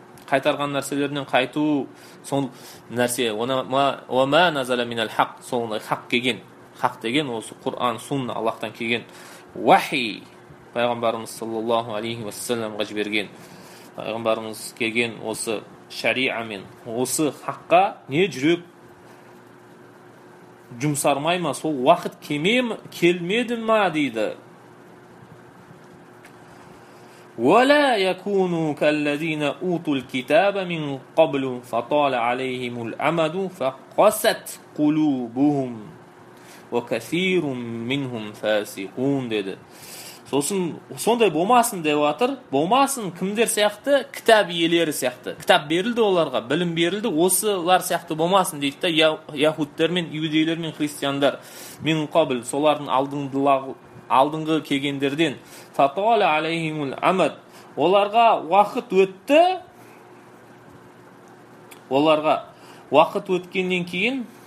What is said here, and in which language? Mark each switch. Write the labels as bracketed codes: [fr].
[kk] қайтарған нәрселерінен қайту, сол нәрсе [ar] уама назала минал хақ, [kk] сонда хақ келген, хақ деген осы Құран, сунна, Аллахтан келген уахи, пайғамбарымыз саллаллаху алейхи ва саллямға жіберген, пайғамбарымыз келген осы шариа мен осы хаққа не жүрек жұмсармай ма, сол уақыт келмеді ма дейді. [ar] ولا يكونوا كالذين اوتوا الكتاب من قبل فطال عليهم الامد فقست قلوبهم وكثير منهم فاسقون [kk] деді. Сосын сондай болмасын деп отыр. Болмасын кімдер сияқты? Кітап иелері сияқты. Кітап берілді оларға, білім берілді, осылар сияқты болмасын дейді де яхудтар мен иудейлер мен христиандар. Мен қабыл солардың алдыңғы келгендерден [ar] фатала алейхимул амад, [kk] оларға уақыт өтті, оларға уақыт өткеннен кейін